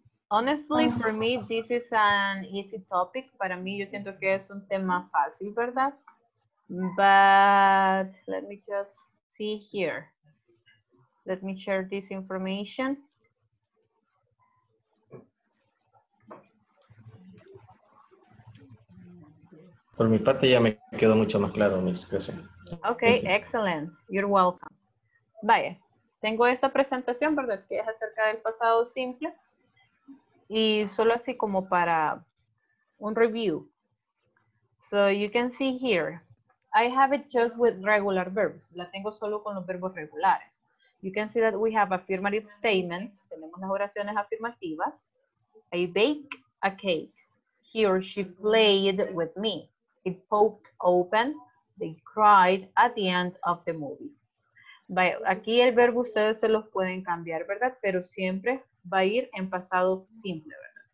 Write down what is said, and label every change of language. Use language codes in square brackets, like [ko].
[en] Honestly, for me, this is an easy topic. [es] Para mí, yo siento que es un tema fácil, ¿verdad? [en] But let me just see here. Let me share this information. [es] Por mi parte ya me quedó mucho más claro, mis gracias. [en] Ok, excellent. You're welcome. [es] Vaya, tengo esta presentación, ¿verdad? Que es acerca del pasado simple. Y solo así como para un review. [en] So you can see here, I have it just with regular verbs. [es] La tengo solo con los verbos regulares. [en] You can see that we have affirmative statements. [es] Tenemos las oraciones afirmativas. [en] I bake a cake. He or she played with me. It popped open. They cried at the end of the movie. [es] Va, aquí el verbo ustedes se los pueden cambiar, ¿verdad? Pero siempre va a ir en pasado simple, ¿verdad?